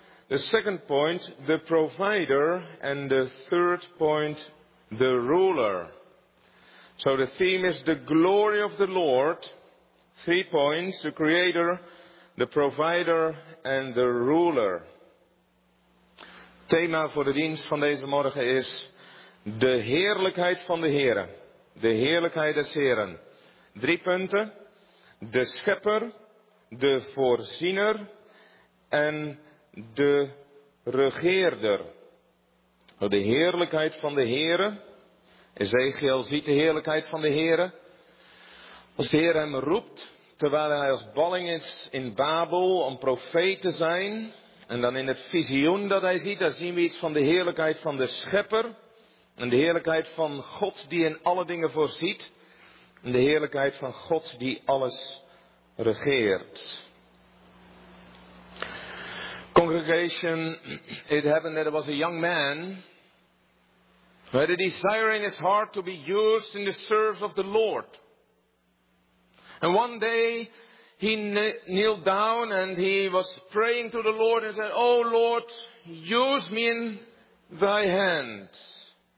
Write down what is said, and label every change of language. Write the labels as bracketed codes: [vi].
[en] The second point, the Provider. And the third point, the Ruler. So the theme is the glory of the Lord. Three points, the Creator, the Provider, and the Ruler. [nl] Thema voor de dienst van deze morgen is de heerlijkheid van de Heren. De heerlijkheid des Heren. Drie punten, de Schepper, de Voorziener en de Regeerder. De heerlijkheid van de Heren. Ezechiël ziet de heerlijkheid van de Heren. Als de Heer hem roept, terwijl hij als balling is in Babel om profeet te zijn. En dan in het visioen dat hij ziet, daar zien we iets van de heerlijkheid van de Schepper. En de heerlijkheid van God die in alle dingen voorziet. En de heerlijkheid van God die alles regeert. [en] Congregation, it happened that there was a young man who had a desire in his heart to be used in the service of the Lord. And one day, he kneeled down and he was praying to the Lord and said, "Oh Lord, use me in thy hands.